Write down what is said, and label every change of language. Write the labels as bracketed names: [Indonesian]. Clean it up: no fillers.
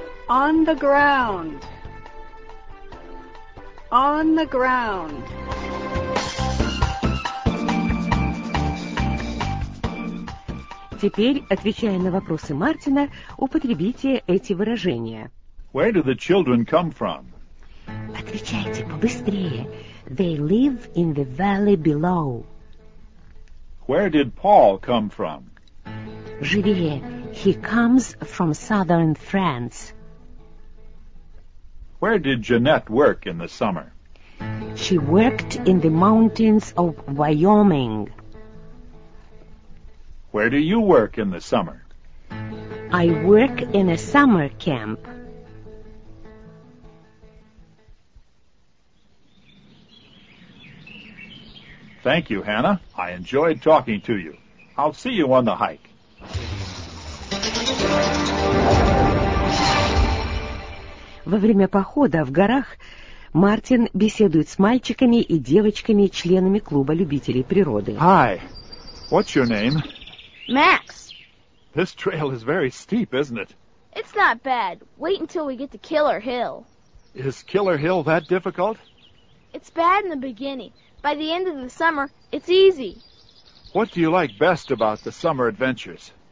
[English] On the ground. On the ground. [Russian] Теперь, отвечая на вопросы Мартина, употребите эти выражения. [English] Where do the children come from? [Russian] Отвечайте побыстрее. [English] They live in the valley below. Where did Paul come from? [Russian] Живее. [English] He comes from southern France. Where did Jeanette work in the summer? She worked in the mountains of Wyoming. Where do you work in the summer? I work in a summer camp. Thank you, Hannah. I enjoyed talking to you. I'll see you on the hike. [Russian] Во время похода в горах Мартин беседует с мальчиками и девочками, членами клуба любителей природы. [English] Hi. What's your name? Max. This trail is very steep, isn't it? It's not bad. Wait until we get to Killer Hill. Is Killer Hill that difficult? It's bad in the beginning. By the end of the summer, it's easy. What do you like best about the summer adventures?